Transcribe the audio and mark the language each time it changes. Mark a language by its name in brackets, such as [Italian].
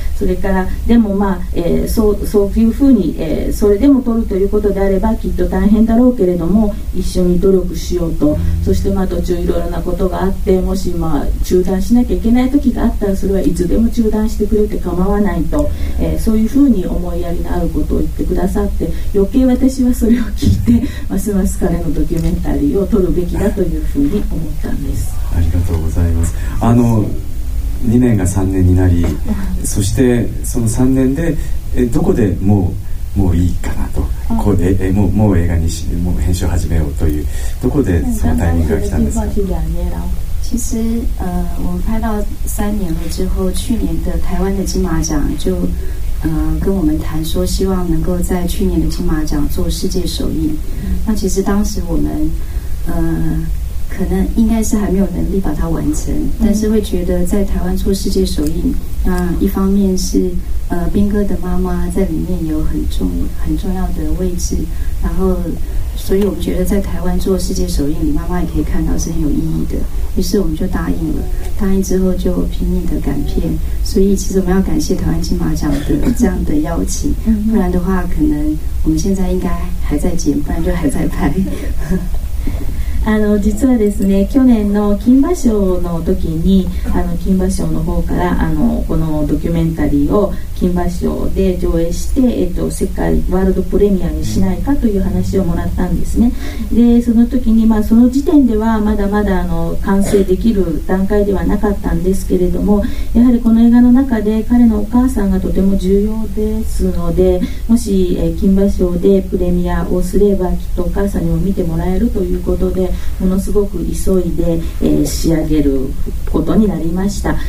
[Japanese] それからでも、まあそういうふうに、それでも撮るということであればきっと大変だろうけれども、一緒に努力しようと、そしてまあ途中いろいろなことがあって、もしまあ中断しなきゃいけない時があったら、それはいつでも中断してくれて構わないと、そういうふうに思いやりのあることを言ってくださって、余計私はそれを聞いてますます彼のドキュメンタリーを撮るべきだというふうに思ったんです。ありがとうございます。あの2年が3年になり、そしてその3年でどこでもういいかなと、ここでもう映画にしもう編集始めようというどこでそのタイミングが来たんですか。 [Chinese] 其实我拍到三年了之后，去年的台湾的金马奖就跟我们谈说，希望能够在去年的金马奖做世界首映。那其实当时我们可能应该是还没有能力把它完成，但是会觉得在台湾做世界首映，那一方面是斌哥的妈妈在里面有很重要的位置，然后所以我们觉得在台湾做世界首映，你妈妈也可以看到是很有意义的，于是我们就答应了。答应之后就拼命的赶片，所以其实我们要感谢台湾金马奖的这样的邀请，不然的话可能我们现在应该还在剪，不然就还在拍。 [Japanese] あの実はですね、去年の金馬賞の時にあの金馬賞の方からあのこのドキュメンタリーを金馬賞で上映して、世界ワールドプレミアにしないかという話をもらったんですね。でその時に、まあ、その時点ではまだまだあの完成できる段階ではなかったんですけれども、やはりこの映画の中で彼のお母さんがとても重要ですので、もし、金馬賞でプレミアをすればきっとお母さんにも見てもらえるということで、ものすごく急いで、仕上げることになりました。